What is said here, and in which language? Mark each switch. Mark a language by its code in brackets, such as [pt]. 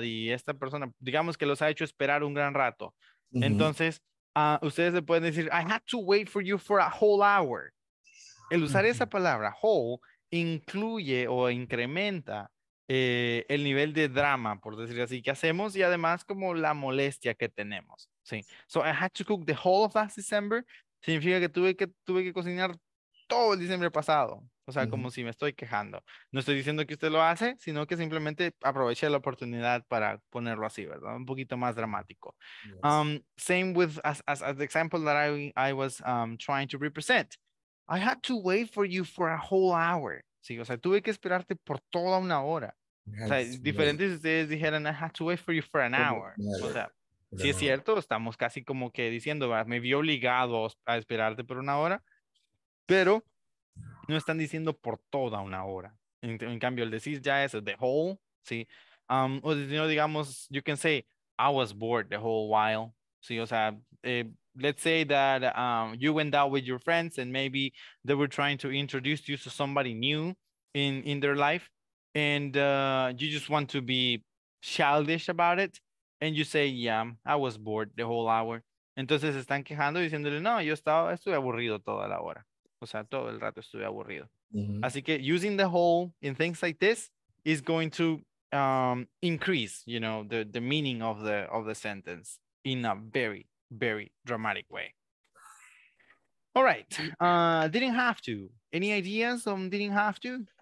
[es] Y esta persona, digamos que los ha hecho esperar un gran rato. Mm-hmm. Entonces, ustedes le pueden decir, [en] I had to wait for you for a whole hour. [es] El usar mm-hmm. esa palabra, whole, incluye o incrementa el nivel de drama, por decir así, que hacemos y además como la molestia que tenemos. Sí. [en] So, I had to cook the whole of last December. [es] Significa que tuve que cocinar todo el diciembre pasado. O sea, como si me estoy quejando. No estoy diciendo que usted lo hace, sino que simplemente aproveché la oportunidad para ponerlo así, ¿verdad? Un poquito más dramático. Yes. [en] Same with as the example that I was trying to represent. I had to wait for you for a whole hour. [es] Sí, o sea, tuve que esperarte por toda una hora. Yes. O sea, diferente si ustedes dijeran, [en] I had to wait for you for an hour. [es] Yes. O sea, si es cierto, estamos casi como que diciendo, ¿verdad? Me vi obligado a esperarte por una hora, pero no están diciendo por toda una hora. En cambio, el decir ya es the whole, ¿sí? [en] O you know, [es] digamos, [en] you can say, I was bored the whole while. [es] Sí, o sea, [en] let's say that you went out with your friends and maybe they were trying to introduce you to somebody new in their life and you just want to be childish about it and you say, yeah, I was bored the whole hour. [es] Entonces están quejando diciéndole, no, estuve aburrido toda la hora. O sea, todo el rato estuve aburrido. Mm-hmm. Así que [en] using the whole in things like this is going to increase, you know, the meaning of the sentence in a very, very dramatic way. All right. Didn't have to. Any ideas on didn't have to?